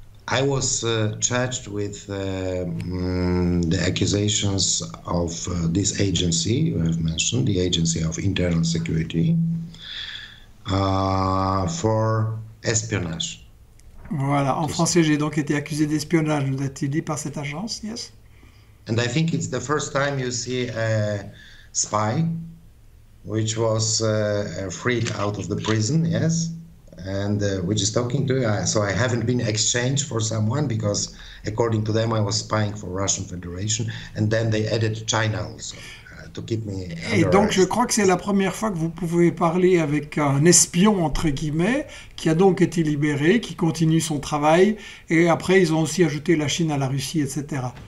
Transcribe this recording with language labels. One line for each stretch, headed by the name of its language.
English: I was charged with the accusations of this agency you have mentioned, the Agency of Internal Security, for espionage.
French: Voilà, en français, j'ai donc été accusé d'espionnage, nous a-t-il dit, par cette agence, yes.
English: And I think it's the first time you see a spy which was freed out of the prison, yes, and which is talking to you. So I haven't been exchanged for someone because, according to them, I was spying for Russian Federation, and then they added China also to keep me under
French: arrest. Et donc, je crois que c'est la première fois que vous pouvez parler avec un espion, entre guillemets, qui a donc été libéré, qui continue son travail, et après, ils ont aussi ajouté la Chine à la Russie, etc.